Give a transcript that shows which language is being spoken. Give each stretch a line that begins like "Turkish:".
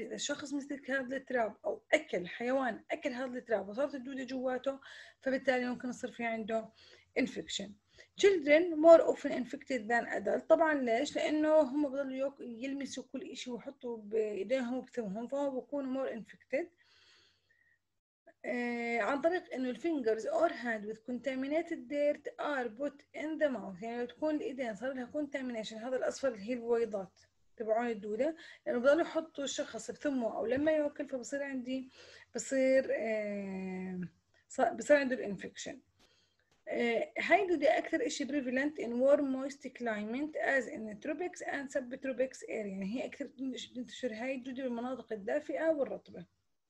Arabic: إذا الشخص مسك هذا التراب أو أكل حيوان أكل هذا التراب وصارت الدودة جواته، فبالتالي ممكن يصير في عنده انفكشن.
English: Children more often infected than adults.
Arabic: طبعا ليش؟ لأنه هم بضلوا يلمسوا كل إشي ويحطوا بإيديهم وكتبهم، فهو بكون
English: more infected.
Arabic: عن طريق إنه
English: fingers or hand with contaminated dirt are put in the mouth.
Arabic: يعني تكون الإيدين صار لها contamination، هذا الأصفر اللي هي البويضات تبعون الدودة، لأنه يعني بضلوا يحطوا الشخص بثمه أو لما يأكل، فبصير عندي بصير عنده infection. هاي الدودة أكثر إشي
English: prevalent in warm moist climate as in the tropics and subtropics area،
Arabic: يعني هي أكثر تنتشر هاي الدودة بالمناطق الدافئة والرطبة.